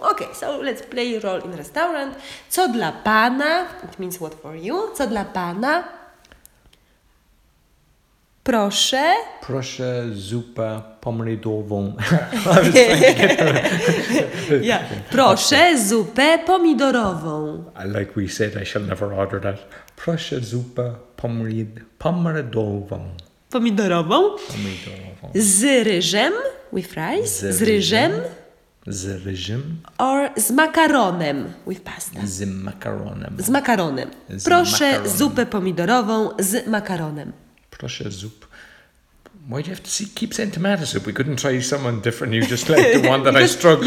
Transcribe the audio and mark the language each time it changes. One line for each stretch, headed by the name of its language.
English: Okay, so let's play a role in restaurant.
Polish: Co dla pana?
English: It means what for you. Co dla pana?
Polish: Proszę. Proszę zupę pomidorową.
English: Yeah.
Polish: Proszę zupę pomidorową.
English: Like we said, I shall never order that.
Polish: Proszę zupę pomidorową. Pomidorową. Z ryżem.
English: With rice,
Polish: z ryżem. Z ryżem.
English: Or
Polish: z makaronem,
English: with pasta.
Polish: Z makaronem. Z makaronem. Z proszę makaronem. Zupę pomidorową z makaronem. Proszę zup.
English: Why do you have to see, keep saying tomato soup? We couldn't try someone different. You just like the one that I struggle